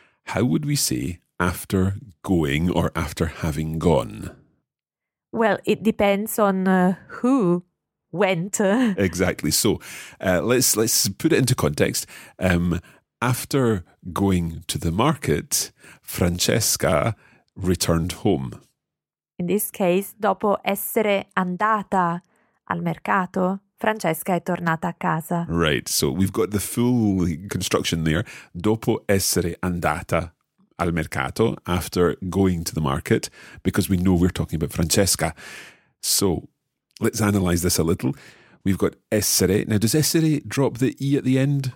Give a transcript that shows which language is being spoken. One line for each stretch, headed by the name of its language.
English: How would we say after going or after having gone? Well, it depends on who went. Exactly. So let's put it into context. After going to the market, Francesca returned home. In this case,
Italian: dopo essere andata al mercato, Francesca è tornata a casa.
English: Right, so we've got the full construction there.
Italian: Dopo essere andata al mercato,
English: after going to the market, because we know we're talking about Francesca. So let's analyze this a little. We've got essere. Now, does essere drop the E at the end?